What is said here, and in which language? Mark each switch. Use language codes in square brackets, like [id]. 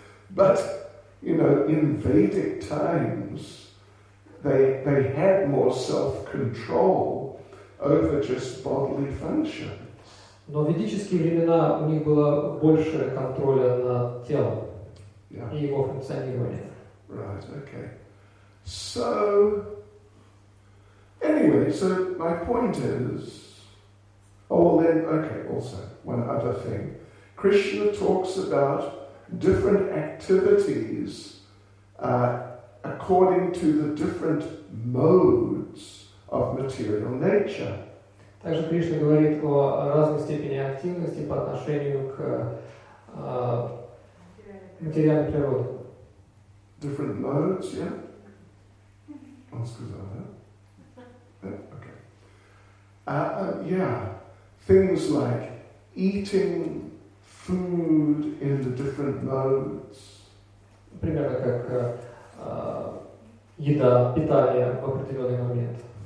[en] But, you know, in Vedic times, they had more self-control over just bodily function. [ru] Но в ведические времена у них было больше контроля над телом, [en] yeah, [ru] и его функционированием. [en] Right, okay. So, anyway, so my point is, oh, well then, okay, also, one other thing. Krishna talks about different activities according to the different modes of material nature. [ru] Также Кришна говорит о разной степени активности по отношению к материальной природе. [en] Different modes, yeah? [ru] Он сказал, да? [en] Okay. Yeah, things like eating food in the different modes. [ru] Примерно как еда, питание в определенный момент.